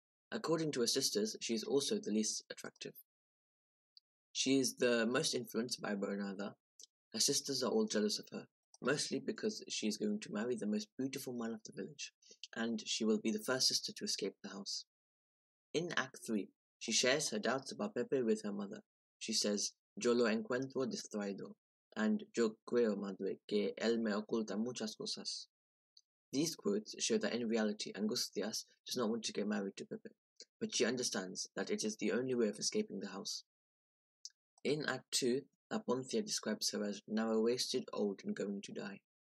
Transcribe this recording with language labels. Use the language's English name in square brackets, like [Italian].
[English] According to her sisters, she is also the least attractive. She is the most influenced by Bernarda. Her sisters are all jealous of her, mostly because she is going to marry the most beautiful man of the village, and she will be the first sister to escape the house. In Act 3, she shares her doubts about Pepe with her mother. She says, [Spanish] Yo lo encuentro distraído, [English] and [Spanish] yo creo, madre, que él me oculta muchas cosas. [English] These quotes show that in reality, Angustias does not want to get married to Pepe, but she understands that it is the only way of escaping the house. In Act 2, La Poncia describes her as narrow-waisted, old, and going to die.